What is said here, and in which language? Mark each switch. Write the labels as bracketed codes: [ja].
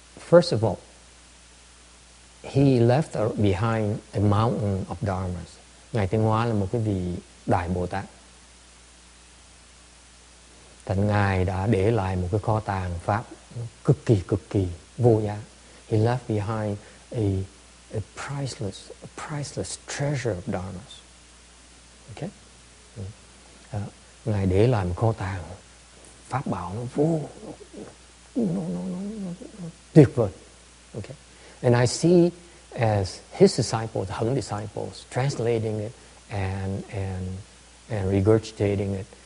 [en] First of all, he left behind the mountain of dharmas. [vi] Ngài Tịnh Hóa là một cái vị đại Bồ Tát. Thành Ngài đã để lại một cái kho tàng pháp cực kỳ vô giá. [en] He left behind a priceless treasure of dharmas. Okay? [vi] Ngài để lại một kho tàng pháp bảo nó tuyệt vời. [en] Okay? And I see as his disciples, the Hung disciples, translating it and regurgitating it.